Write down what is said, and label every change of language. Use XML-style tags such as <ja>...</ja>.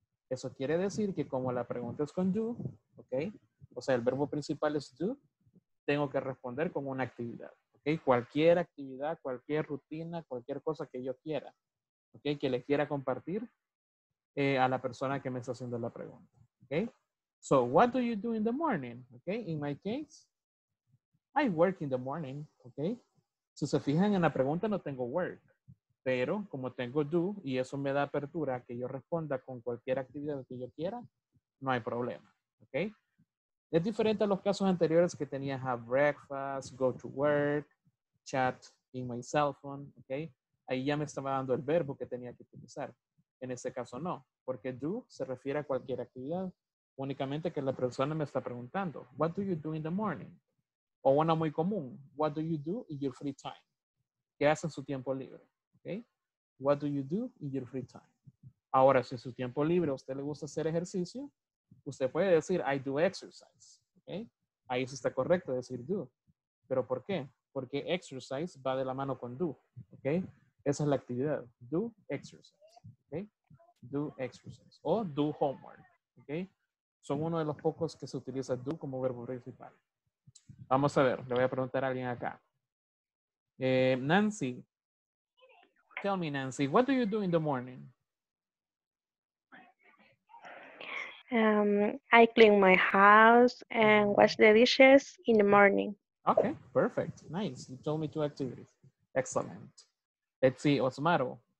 <es>Eso quiere decir que como la pregunta es con do, ok, o sea, el verbo principal es do, tengo que responder con una actividad. Ok, cualquier actividad, cualquier rutina, cualquier cosa que yo quiera, ok, que le quiera compartir, a la persona que me está haciendo la pregunta.</es> <en>Okay? So, what do you do in the morning? Okay? In my case, I work in the morning.</en> <es>Okay? Si se fijan en la pregunta, no tengo work. Pero, como tengo do, y eso me da apertura a que yo responda con cualquier actividad que yo quiera, no hay problema. Okay? Es diferente a los casos anteriores que tenía</es> <en>have breakfast, go to work, chat in my cell phone.</en> <es>Okay? Ahí ya me estaba dando el verbo que tenía que utilizar. En este caso no, porque do se refiere a cualquier actividad, únicamente que la persona me está preguntando,</es> <en>what do you do in the morning?</en> <es>O una muy común,</es> <en>what do you do in your free time?</en> <es>¿Qué hace en su tiempo libre? Okay?</es> <en>What do you do in your free time?</en> <es>Ahora, si en su tiempo libre a usted le gusta hacer ejercicio, usted puede decir,</es> <en>I do exercise.</en> <es>Okay? Ahí sí está correcto decir do. ¿Pero por qué? Porque exercise va de la mano con do. Okay? Esa es la actividad, do exercise.</es> <en>Do exercise o do homework. Okay?</en> <es>Son uno de los pocos que se utiliza do como verbo principal. Vamos a ver, le voy a preguntar a alguien acá. Nancy.</es> <en>Tell me, Nancy, what do you do in the morning? I clean my house and wash the dishes in the morning. Okay, perfect. Nice. You told me two activities. Excellent. Let's see, Osmaro.</en>